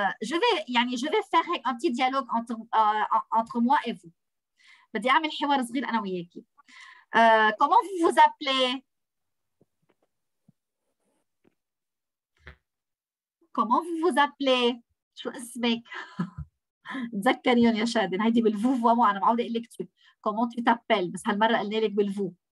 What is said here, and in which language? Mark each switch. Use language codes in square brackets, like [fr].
[fr] Je vais faire un petit dialogue entre moi et vous. [ar] بدي أعمل حوار صغير أنا وياكي. [fr] Comment vous vous appelez? Comment vous vous appelez? [ar] شو اسمك؟ تذكريني يا شادن، هيدي بالفو فوامو، أنا معودة أقول لك تو. [fr] Comment tu t'appelles؟ [ar] بس هالمرة قلنا لك بالفو.